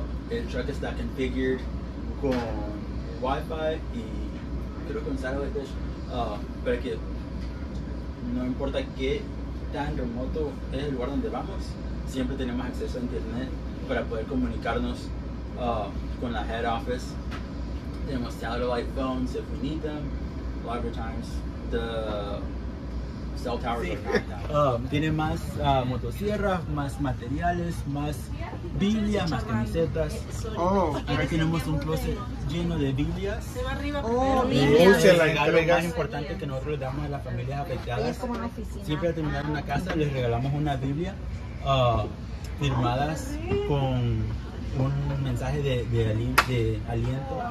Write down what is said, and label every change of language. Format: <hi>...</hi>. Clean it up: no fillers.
<es>El truck está configured con Wi-Fi y creo con satellite dish, para que no importa qué tan remoto es el lugar donde vamos, siempre tenemos acceso a internet para poder comunicarnos con la head office. Tenemos</es> <en>satellite phones if we need them. A lot of times the cell towers are knocked down.</en> <es>Tiene más motosierras, más materiales, más Biblia, más camisetas. Oh, aquí tenemos un closet. lleno de Biblias. Se va arriba. Biblias. Es algo más importante que nosotros le damos a las familias afectadas. Siempre al terminar una casa les regalamos una Biblia firmadas con un mensaje de aliento.</es>